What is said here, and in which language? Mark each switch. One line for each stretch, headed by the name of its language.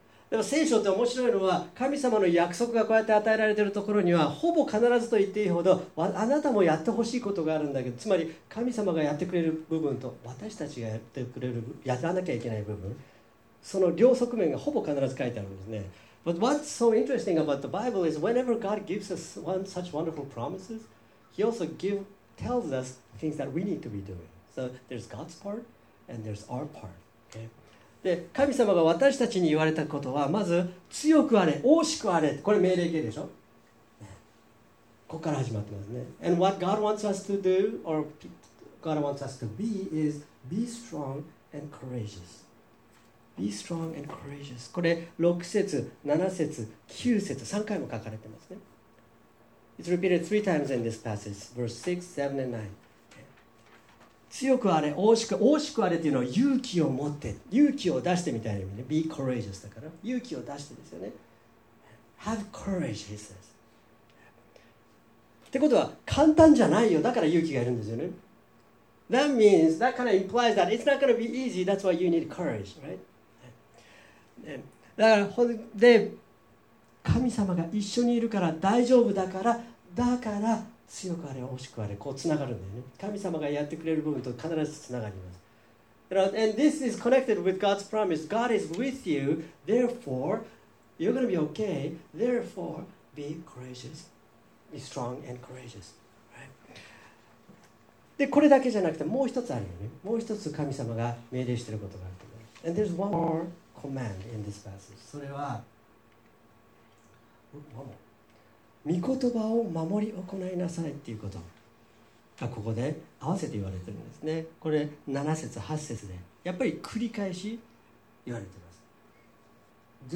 Japanese: でも聖書って面白いのは、神様の約束がこうやって与えられているところには、ほぼ必ずと言っていいほど、あなたもやってほしいことがあるんだけど、つまり神様がやってくれる部分と私たちがやってくれる、やらなきゃいけない部分、その両側面がほぼ必ず書いてあるんですね。
English: But what's so interesting about the Bible is whenever God gives us one such wonderful promises, He also tells us things that we need to be doing. So there's God's part and there's our part.
Japanese: で神様が私たちに言われたことは、まず強くあれ、惜しくあれ、これ命令形でしょ。ここから始まってますね。
English: And what God wants us to do or God wants us to be is be strong and courageous. Be strong and courageous.
Japanese: これ6節、7節、9節、3回も書かれてますね。
English: It's repeated three times in this passage. Verse 6, 7 and 9.
Japanese: 強くあれ、惜しくあれっていうのは勇気を持って、勇気を出してみたいな意味ね。
English: Be courageous
Japanese: だから。勇気を出してですよね。
English: Have courage, he says.
Japanese: ってことは、簡単じゃないよ。だから勇気がいるんですよね。
English: That means, that kind of implies that it's not going to be easy. That's why you need courage, right?
Japanese: だから、で、神様が一緒にいるから大丈夫だから、だから、強くあれ、惜しくあれ、こうつながるんだよね。神様がやってくれる部分と必ずつながります。
English: And this is connected with God's promise. God is with you, therefore, you're going to be okay. Therefore, be courageous. Be strong and courageous. Right?
Japanese: で、これだけじゃなくてもう一つあるよね。もう一つ神様が命令していることがあると思います。
English: And there's one more command in this passage.
Japanese: それは、御言葉を守り行いなさいっていうことがここで合わせて言われてるんですね。これ7節、8節で、やっぱり繰り返し言われてます。